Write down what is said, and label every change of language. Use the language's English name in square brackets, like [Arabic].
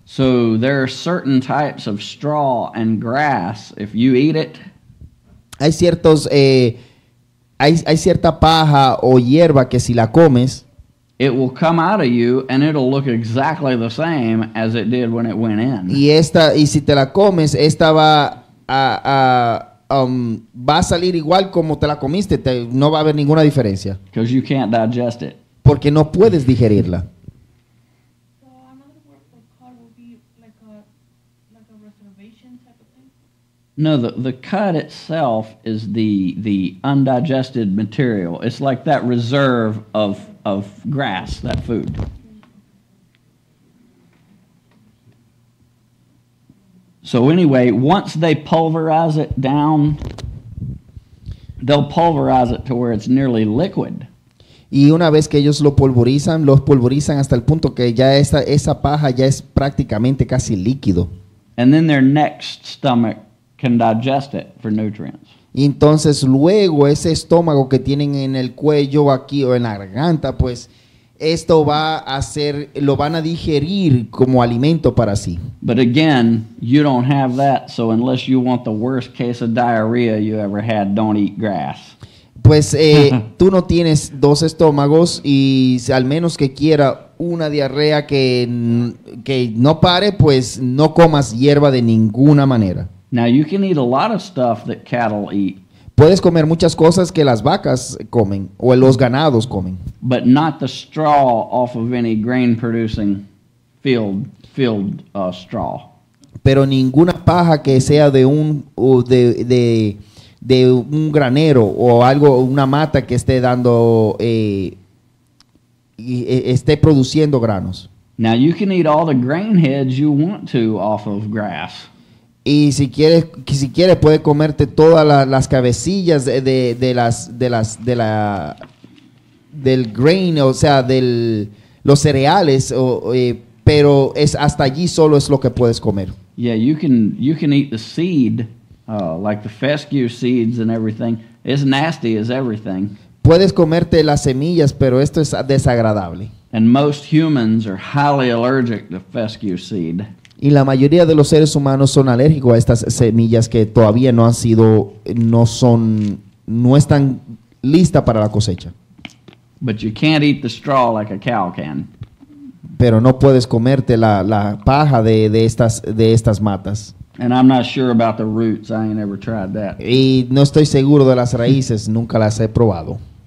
[English] So there are certain types of straw and grass. If you eat it, [Spanish] hay cierta paja o hierba que si la comes, [English] it will come out of you and it'll look exactly the same as it did when it went in. [Spanish] Y si te la comes, esta va va a salir igual como te la comiste, no va a haber ninguna diferencia. [English] Because you can't digest it. [Spanish] Porque no puedes digerirla. [English] So another word for cud would be like a reservation type of thing? No, the cud itself is the undigested material. It's like that reserve of grass, that food. So anyway, once they pulverize it down, they'll pulverize it to where it's nearly liquid. [Spanish] Y una vez que ellos lo pulverizan hasta el punto que ya esa paja ya es prácticamente casi líquido. [English] And then their next stomach can digest it for nutrients. [Spanish] Y entonces luego ese estómago que tienen en el cuello aquí o en la garganta, pues esto va a ser, lo van a digerir como alimento para sí. [English] But again, you don't have that, so unless you want the worst case of diarrhea you ever had, don't eat grass. [Spanish] Pues tú no tienes dos estómagos y al menos que quiera una diarrea que no pare, pues no comas hierba de ninguna manera. [English] Now you can eat a lot of stuff that cattle eat. [Spanish] Puedes comer muchas cosas que las vacas comen o los ganados comen. [English] But not the straw off of any grain producing field straw. [Spanish] Pero ninguna paja que sea de un de de de un granero o algo, una mata que esté dando y esté produciendo granos. [English] Now you can eat all the grain heads you want to off of grass. [Spanish] Y si quieres puede comerte todas las cabecillas del grain, o sea, del los cereales, pero es hasta allí solo es lo que puedes comer. [English] Yeah, you can eat the seed, like the fescue seeds and everything. It's nasty as everything. [Spanish] Puedes comerte las semillas, pero esto es desagradable. [English] And most humans are highly allergic to fescue seed. [Spanish] Y la mayoría de los seres humanos son alérgicos a estas semillas que todavía no han sido, no son, no están listas para la cosecha. [English] But you can't eat the straw like a cow can. [Spanish] Pero no puedes comerte la paja de estas matas. [English] And I'm not sure about the roots. I ain't ever tried that. [Spanish] Y no estoy seguro de las raíces. Nunca las he probado.